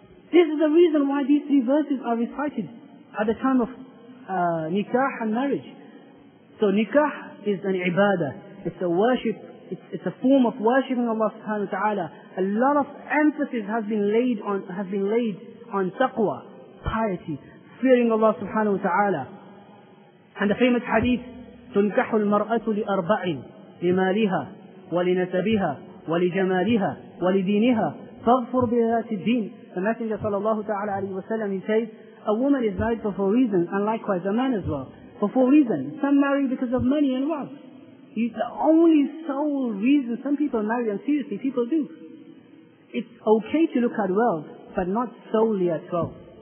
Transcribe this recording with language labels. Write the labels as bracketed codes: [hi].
[en] This is the reason why these three verses are recited at the time of nikah and marriage. So nikah is an ibadah. It's a worship. It's a form of worshiping Allah subhanahu wa ta'ala. A lot of emphasis has been laid on taqwa, piety, fearing Allah subhanahu wa ta'ala. And the famous hadith, [ar] تُنْكَحُ الْمَرْأَةُ لِأَرْبَعٍ لِمَالِهَا وَلِنَسَبِهَا وَلِجَمَالِهَا وَلِدِينِهَا فَاغْفُرْ بِذَاتِ الدِّينِ. [en] The Messenger sallallahu ta'ala alayhi wa sallam, he says, a woman is married for four reasons, and likewise a man as well. For four reasons. Some marry because of money and wealth. It's the only sole reason some people marry, and seriously, people do. It's okay to look at wealth, but not solely at wealth.